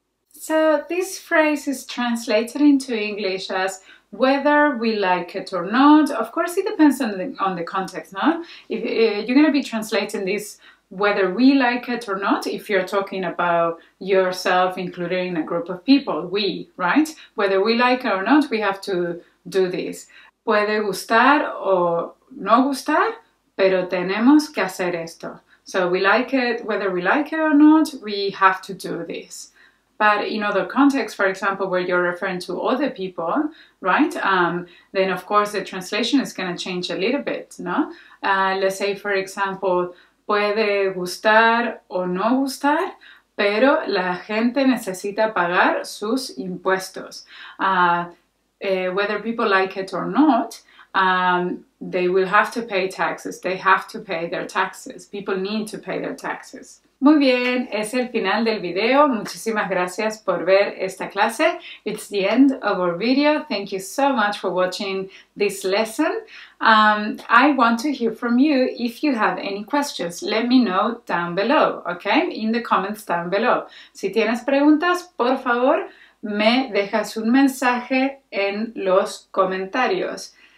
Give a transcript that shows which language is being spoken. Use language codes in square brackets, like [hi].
[en] So, this phrase is translated into English as whether we like it or not. Of course, it depends on the context, no? If you're going to be translating this whether we like it or not, if you're talking about yourself, including a group of people, we, right? Whether we like it or not, we have to do this. [es] Puede gustar o no gustar, pero tenemos que hacer esto. [en] So we like it, whether we like it or not, we have to do this. But in other contexts, for example, where you're referring to other people, right? Then of course the translation is gonna change a little bit, no? Let's say, for example, [es] puede gustar o no gustar, pero la gente necesita pagar sus impuestos. [en] Whether people like it or not, they will have to pay taxes. They have to pay their taxes. People need to pay their taxes. [es] Muy bien, es el final del video. Muchísimas gracias por ver esta clase. [en] It's the end of our video. Thank you so much for watching this lesson. I want to hear from you if you have any questions. Let me know down below, okay? In the comments down below. [es] Si tienes preguntas, por favor, me dejas un mensaje en los comentarios.